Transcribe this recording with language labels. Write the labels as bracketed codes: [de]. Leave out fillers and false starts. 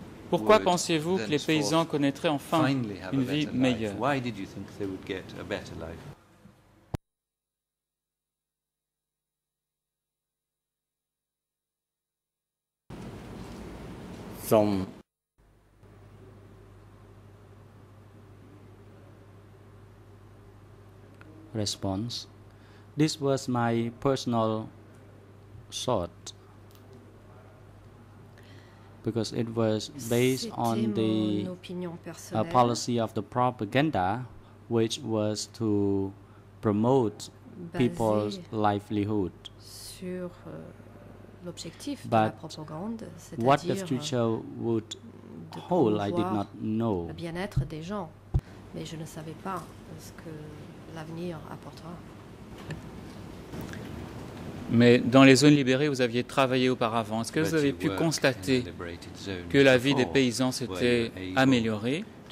[fr] Pourquoi pensiez-vous que les paysans connaîtraient enfin une vie meilleure? [en] Why did you think they would get a better life? Response. This was my personal thought because it was based on the policy of the propaganda, which was to promote people's livelihood. [fr] Sur l'objectif [en] but [fr] de la propagande, c'est-à-dire [en] what the future would hold, I did not know. [fr] Le bien-être des gens, mais je ne savais pas ce que l'avenir apportera. Mais dans les zones libérées, vous aviez travaillé auparavant. Est-ce que vous avez pu constater que la vie des paysans s'était améliorée?